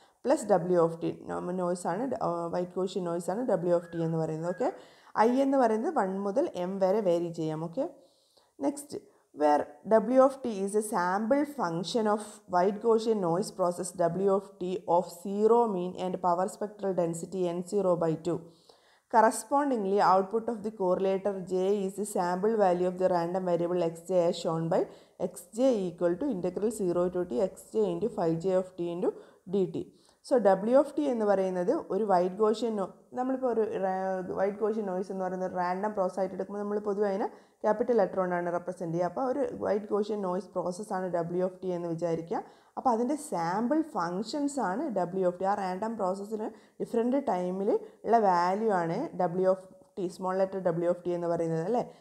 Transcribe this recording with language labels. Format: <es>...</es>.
<ml>Plus W of t noise ആണ്, white Gaussian noise ആണ് W of t എന്ന് പറയുന്നത്. ഓക്കെ, I എന്ന് പറയുന്നത് 1 മുതൽ m വരെ വേരി ചെയ്യാം. Okay,</ml> <en>Next, where W of t is a sample function of white Gaussian noise process W of t of 0 mean and power spectral density n0 by 2. Correspondingly, output of the correlator j is the sample value of the random variable xj as shown by xj equal to integral 0 to t xj into phi j of t into dt.</en> <ml>So, w of t എന്ന് പറയുന്നത് ഒരു white Gaussian നമ്മളിപ്പോൾ ഒരു white Gaussian noise എന്ന് പറയുന്ന random process ആയിട്ട് എടുക്കുമ്പോൾ നമ്മൾ പൊതുവെ അതിനെ ക്യാപിറ്റൽ ലെറ്റർ കൊണ്ടാണ് റെപ്രസെൻ്റ് ചെയ്യുക. അപ്പോൾ ഒരു വൈറ്റ് ഗോഷ്യൻ നോയ്സ് പ്രോസസ്സാണ് ഡബ്ല്യു എഫ് ടി എന്ന് വിചാരിക്കുക. അപ്പോൾ അതിൻ്റെ സാമ്പിൾ ഫംഗ്ഷൻസ് ആണ് ഡബ്ല്യു എഫ് ടി. ആ റാൻഡം പ്രോസസ്സിന് ഡിഫറെൻ്റ് ടൈമിൽ ഉള്ള വാല്യൂ ആണ് W F T, small letter W F T എന്ന് പറയുന്നത് അല്ലേ.</ml>